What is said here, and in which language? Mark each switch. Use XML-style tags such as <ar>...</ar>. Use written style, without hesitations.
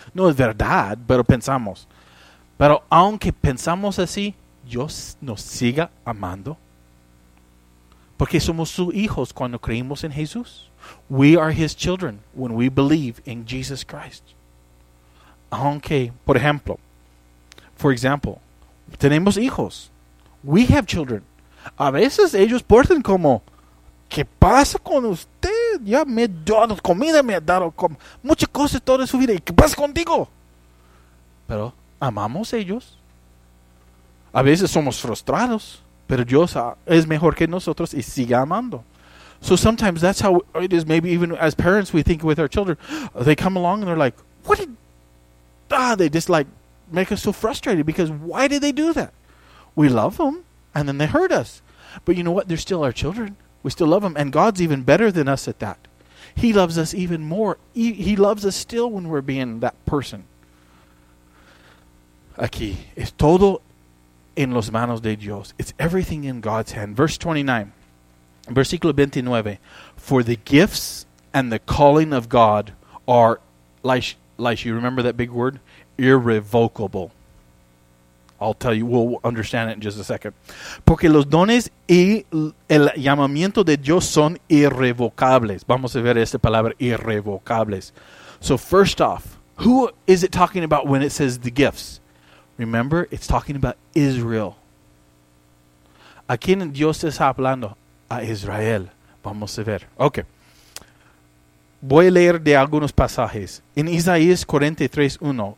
<es>No es verdad, pero pensamos. Pero aunque pensamos así, Dios nos siga amando. Porque somos sus hijos cuando creemos en Jesús.</es> <en>We are his children when we believe in Jesus Christ.</en> <es>Aunque, por ejemplo, tenemos hijos.</es> <en>We have children.</en> <es>A veces ellos portan como, ¿qué pasa con usted? Ya me ha dado comida, me ha dado muchas cosas toda su vida. ¿Y qué pasa contigo? Pero amamos a ellos. A veces somos frustrados, pero Dios es mejor que nosotros y sigue amando.</es> <en>So sometimes that's how it is. Maybe even as parents, we think with our children, they come along and they're like, "What did?" They just like make us so frustrated because why did they do that? We love them and then they hurt us, but you know what? They're still our children. We still love them, and God's even better than us at that. He loves us even more. He loves us still when we're being that person.</en> <es>Aquí es todo en las manos de Dios.</es> <en>It's everything in God's hand. Verse 29.</en> <es>Versículo 29.</es> <en>For the gifts and the calling of God are, like you remember that big word? Irrevocable. I'll tell you, we'll understand it in just a second.</en> <es>Porque los dones y el llamamiento de Dios son irrevocables. Vamos a ver esta palabra, irrevocables.</es> <en>So first off, who is it talking about when it says the gifts? Remember, it's talking about Israel.</en> <es>¿A quién Dios está hablando? A Israel. Vamos a ver. Ok. Voy a leer de algunos pasajes. En Isaías 43:1.</es>